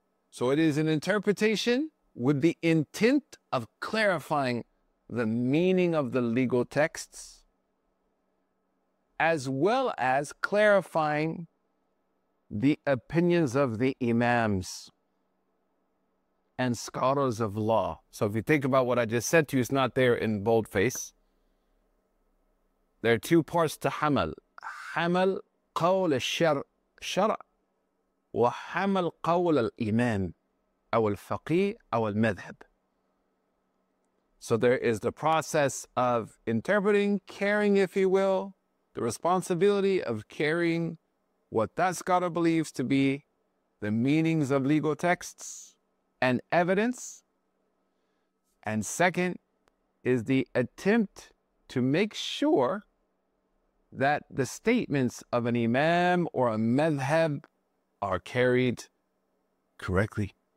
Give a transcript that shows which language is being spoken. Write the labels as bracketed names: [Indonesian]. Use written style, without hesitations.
[English] So it is an interpretation with the intent of clarifying the meaning of the legal texts, as well as clarifying the opinions of the imams and scholars of law. So if you think about what I just said to you, it's not there in boldface. There are two parts to hamal. [Arabic] حمل قول الشرع وحمل قول الإمام أو الفقيه أو المذهب. [English] So there is the process of interpreting, caring, if you will, the responsibility of caring what that scholar believes to be the meanings of legal texts and evidence. And second is the attempt to make sure that the statements of an imam or a madhhab are carried correctly.